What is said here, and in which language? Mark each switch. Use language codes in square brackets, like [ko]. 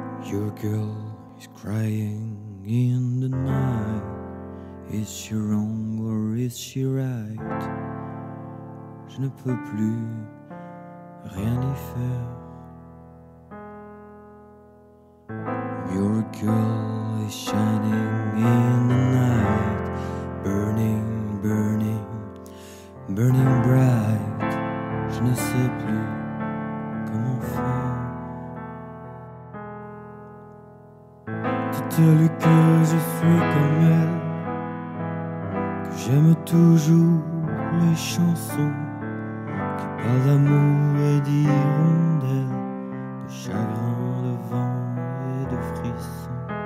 [en] Your girl is crying in the night. Is she wrong or is she right? [fr] Je ne peux plus rien y faire. [en] Your girl is shining in the night, burning, burning, burning bright. [fr] Je ne sais plus comment faire. Dites-lui que je suis comme elle, que j'aime toujours les chansons qui parlent d'amour et d'hirondelles, de chagrin, de vent et de frissons.